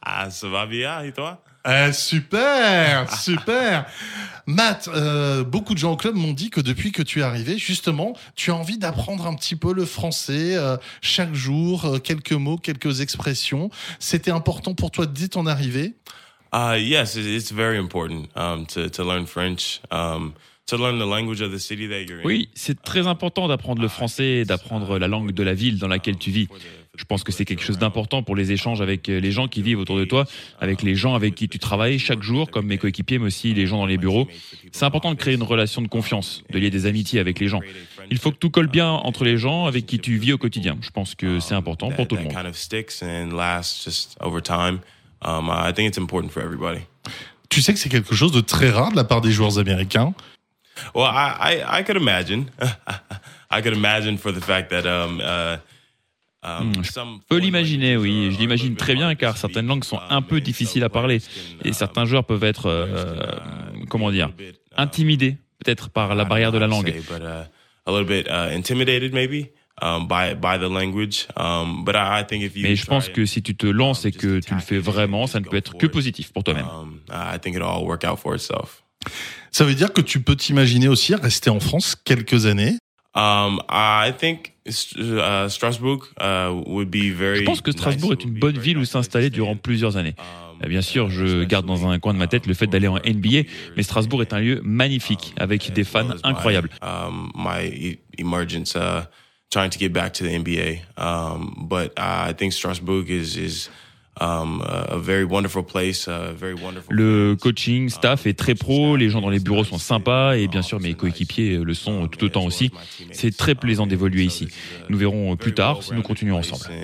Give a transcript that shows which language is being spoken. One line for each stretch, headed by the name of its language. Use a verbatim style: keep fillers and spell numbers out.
French: Ça va bien, et toi? Eh, super, super. Matt, euh, beaucoup de gens au club m'ont dit que depuis que tu es arrivé, justement, tu as envie d'apprendre un petit peu le français euh, chaque jour, euh, quelques mots, quelques expressions. C'était important pour toi dès ton arrivée?
English: Uh, yes, it's very important um, to, to learn French. Um, To learn the language of the city that you're in.
French: Oui, c'est très important d'apprendre le français et d'apprendre la langue de la ville dans laquelle tu vis. Je pense que c'est quelque chose d'important pour les échanges avec les gens qui vivent autour de toi, avec les gens avec qui tu travailles chaque jour, comme mes coéquipiers, mais aussi les gens dans les bureaux. C'est important de créer une relation de confiance, de lier des amitiés avec les gens. Il faut que tout colle bien entre les gens avec qui tu vis au quotidien. Je pense que c'est important pour tout le monde. Tu sais que c'est quelque chose de très rare de la part des joueurs américains.
English: Well, I, I, I could imagine. I could imagine for the fact that um, uh, um,
French: je peux l'imaginer, oui. Je l'imagine très bien, car certaines langues sont un peu difficiles à parler. Et certains joueurs peuvent être, euh, comment dire, intimidés, peut-être par la barrière de la langue.
English: A little bit intimidated, maybe. By, by the language. Um, but I think if you
French: Mais je pense que si tu te lances et que tu le fais vraiment, ça ne peut être que positif pour toi-même. Um,
English: I think it'll all work out for itself.
French: Ça veut dire que tu peux t'imaginer aussi rester en France quelques années.
English: Um, I think uh, Strasbourg uh, would be very.
French: Je pense que Strasbourg est une bonne ville où s'installer durant plusieurs années. Bien sûr, je garde dans un coin de ma tête le fait d'aller en N B A, mais Strasbourg est un lieu magnifique avec des fans incroyables.
English: Um, my emergence uh, trying to get back to the N B A, um, but I think Strasbourg is is. Um, a very wonderful place, a very wonderful
French: le coaching staff est très pro, les gens dans les bureaux sont sympas et bien sûr mes coéquipiers le sont tout autant aussi. C'est très plaisant d'évoluer ici. Nous verrons plus tard si nous continuons ensemble.